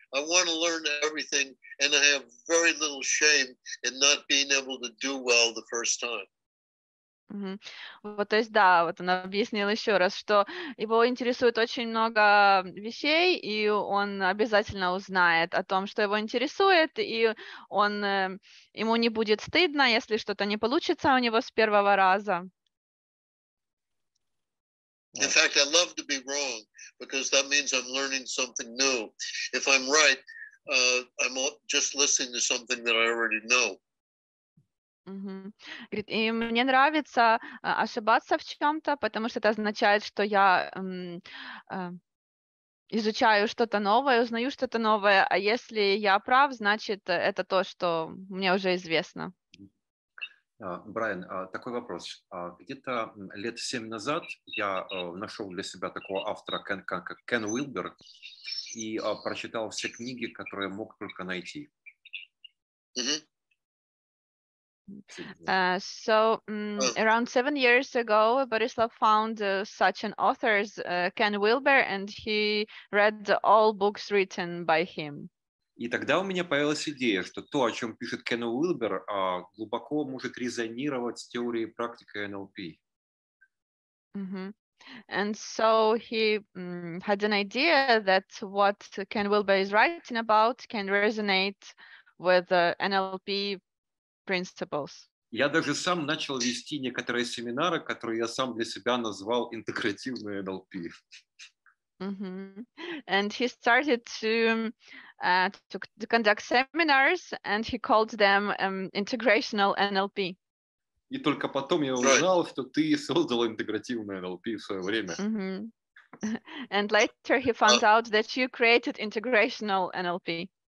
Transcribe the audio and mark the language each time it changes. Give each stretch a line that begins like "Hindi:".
English: I want to learn everything, and I have very little shame in not being able to do well the first time. Mm-hmm.
Russian: Вот, то есть, да, вот он объяснил еще раз, что его интересует очень много вещей, и он обязательно узнает о том, что его интересует, и он ему не будет стыдно, если что-то не получится у него с первого раза.
English: In fact, I love to be wrong, because that means I'm learning something new. If I'm right, I'm just listening to something that I already know.
Russian: Говорит, и мне нравится ошибаться в чем-то, потому что это означает, что я изучаю что-то новое, узнаю что-то новое, а если я прав, значит, это то, что мне уже известно. Брайан, такой вопрос. Где-то лет 7 назад я нашел для себя такого автора, как Кен Уилбер, и прочитал все книги, которые мог только найти.
English: So, around 7 years ago, Borislav found such an author, Кен Уилбер, and he read all books written by him.
Russian: И тогда у меня появилась идея, что то, о чем пишет Кен Уилбер, глубоко может резонировать с теорией и практикой NLP.
English: And so he had an idea that what Ken Wilber is writing about can resonate with NLP principles.
Russian: Я даже сам начал вести некоторые семинары, которые я сам для себя назвал интегративные NLP.
English: And he started to conduct seminars, and he called them integrational NLP.
Russian: И только потом я узнал, что ты создал интегративное NLP в свое время.
English: And later he found out that you created integrational NLP.